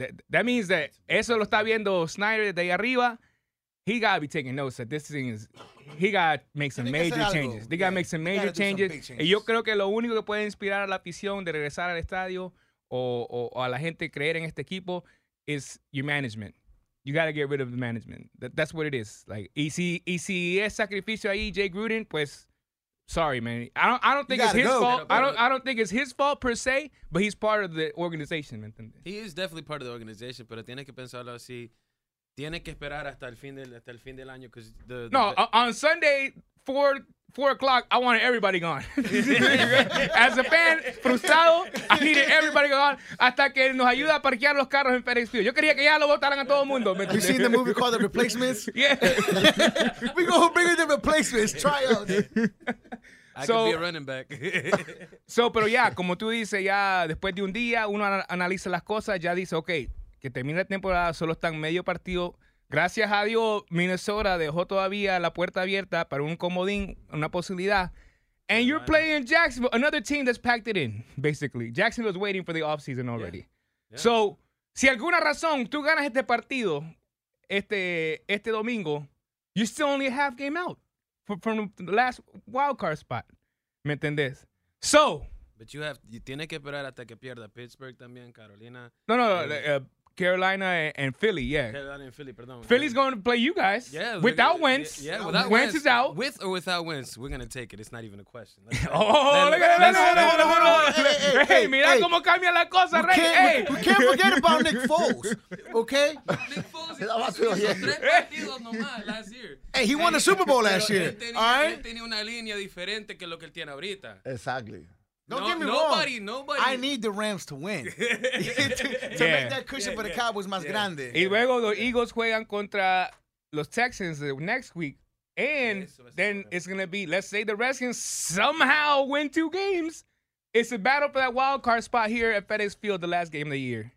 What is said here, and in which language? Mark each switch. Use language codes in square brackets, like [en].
[en] That means that [es] eso lo está viendo Snyder de ahí arriba. [en] He got to be taking notes that this thing is, he got to make some major changes. They got to make some major changes. [es] Y yo creo que lo único que puede inspirar a la afición de regresar al estadio o a la gente creer en este equipo [en] is your management. You got to get rid of the management. That's what it is. [es] Like, y si es sacrificio ahí, Jay Gruden, pues, [en] sorry, man. I don't think it's his fault. I don't think it's his fault per se, but he's part of the organization, [es] ¿me entiendes? [en] He is definitely part of the organization, [es] pero tiene que pensarlo así. Tiene que esperar hasta el fin del año. [en] On Sunday, 4 o'clock, I wanted everybody gone. As a fan, [es] frustrado, [en] I needed everybody gone [es] hasta que nos ayuda a parquear los carros en FedEx Field. Yo quería que ya lo botaran a todo el mundo. [en] You seen the movie called The Replacements? Yeah. We gonna bring in The Replacements. Try out. I could be a running back. [es] pero ya, como tú dices, ya después de un día, uno analiza las cosas, ya dice, okay, que termine la temporada, solo están medio partido. Gracias a Dios, Minnesota dejó todavía la puerta abierta para un comodín, una posibilidad. [en] And you're playing Jacksonville, another team that's packed it in, basically. Jacksonville's waiting for the offseason already. Yeah. Yeah. So, [es] si alguna razón tú ganas este partido, este domingo, [en] you're still only a half game out from the last wild card spot. [es] ¿Me entendés? [en] So. But you [es] tiene que esperar hasta que pierda Pittsburgh también, Carolina. [en] Carolina and Philly, yeah. Carolina and Philly, perdón. Philly's going to play you guys. Yeah. Without Wentz. Without Wentz. Wentz is out. With or without Wentz, we're going to take it. It's not even a question. [es] Hey, mira cómo cambia la cosa, Rey. Hey. [en] We can't forget about Nick Foles, okay? [es] Nick Foles, tres partidos nomás [en] last year. Hey, he won the Super Bowl last year, all right? [es] Él tenía una línea diferente que lo que él tiene ahorita. [en] Exactly. Don't get me wrong. I need the Rams to win. to make that cushion for the Cowboys [es] más grande. Y luego los Eagles juegan contra los Texans [en] next week. And then it's going to be, let's say the Redskins somehow win 2 games. It's a battle for that wild card spot here at FedEx Field, the last game of the year.